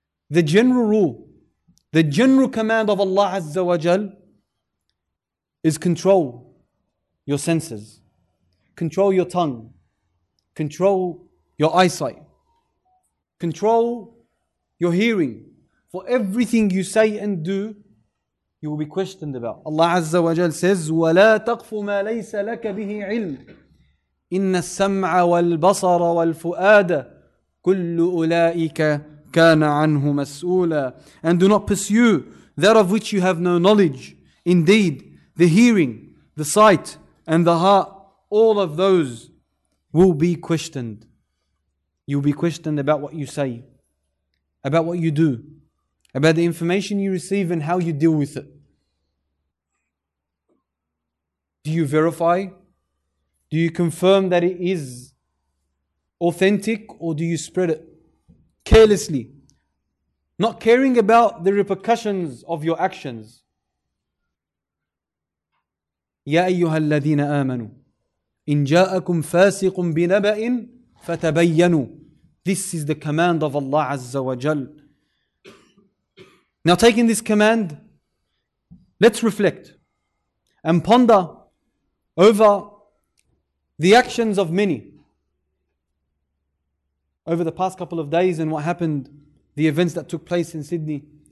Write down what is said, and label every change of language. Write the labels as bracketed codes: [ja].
[en] The general rule, the general command of Allah Azza wa Jal is control your senses, control your tongue, control your eyesight, control your hearing. For everything you say and do, you will be questioned about. [ar] Allah Azza wa Jal says, وَلَا تَقْفُ مَا لَيْسَ لَكَ بِهِ عِلْمٍ إِنَّ السَّمْعَ وَالْبَصَرَ وَالْفُؤَادَ كُلُّ أُولَٰئِكَ كَانَ عَنْهُ مَسْئُولًا. [en] And do not pursue that of which you have no knowledge. Indeed, the hearing, the sight, and the heart, all of those will be questioned. You'll be questioned about what you say, about what you do, about the information you receive and how you deal with it. Do you verify? Do you confirm that it is authentic, or do you spread it carelessly, not caring about the repercussions of your actions? [ar] Ya ayyuha alladhina amanu, إِن جَاءَكُمْ فَاسِقٌ بِنَبَأٍ فَتَبَيَّنُوا. [en] This is the command of Allah Azza wa Jal. Now taking this command, let's reflect and ponder over the actions of many over the past couple of days and what happened, the events that took place in Sydney.